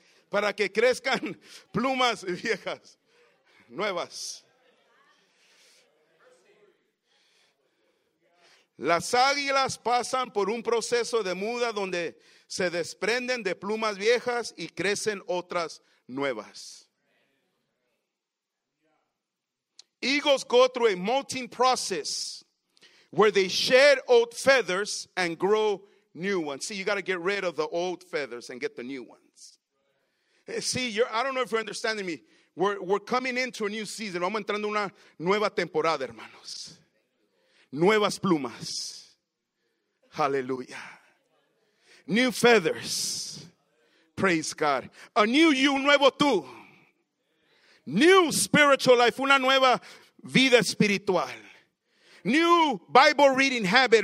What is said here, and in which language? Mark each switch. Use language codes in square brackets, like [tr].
[es] Para que crezcan plumas viejas, nuevas. Las águilas pasan por un proceso de muda donde se desprenden de plumas viejas y crecen otras nuevas. [en] Eagles go through a molting process where they shed old feathers and grow new ones. See, you got to get rid of the old feathers and get the new ones. See, I don't know if you're understanding me. We're coming into a new season. [es] Vamos entrando una nueva temporada, hermanos. Nuevas plumas. Hallelujah. [en] New feathers. Praise God. A new you, [es] nuevo tú. [en] New spiritual life. [es] Una nueva vida espiritual. [en] New Bible reading habit.